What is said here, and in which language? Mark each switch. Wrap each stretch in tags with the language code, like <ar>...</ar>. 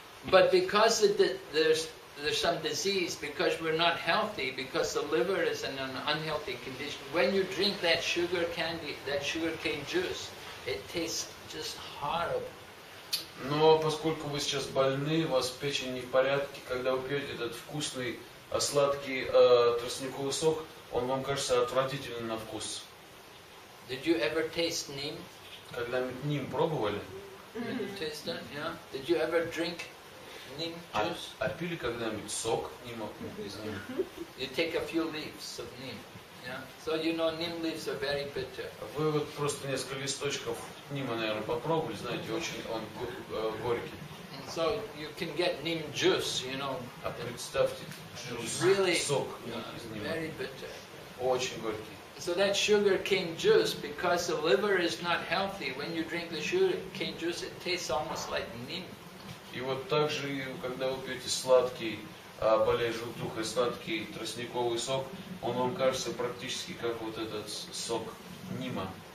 <en>But because there's some disease, because we're not healthy, because the liver is in an unhealthy condition, when you drink that sugar candy, that sugar cane juice, it tastes just horrible.</en> <ru>Но поскольку вы сейчас больны, у вас печень не в порядке, когда вы пьете этот вкусный, сладкий тростниковый сок, он вам кажется отвратительным на вкус.</ru> <en>Did you ever taste neem?</en> <ru>Когда неем пробовали?</ru> <en>Did you taste that? Yeah. Did you ever drink neem juice?</en> <ru>А пили когда-нибудь сок неем?</ru> <en>You take a few leaves of neem. Yeah. So you know neem leaves are very bitter.</en> <ru>Вы вот просто несколько листочков неема, наверное, попробовали, знаете, очень он горький.</ru> <en>So you can get neem juice, you know.</en> <ru>А представьте, juice,</ru> <en>really</en> <ru>сок</ru> <en>very bitter.</en> <ru>Очень горький.</ru> <en>So that sugar cane juice, because the liver is not healthy, when you drink the sugar cane juice, it tastes almost like neem.</en> <ru>И вот так же, когда вы пьете сладкий, более желтухой, сладкий тростниковый сок, он вам кажется практически как вот этот сок нима.</ru>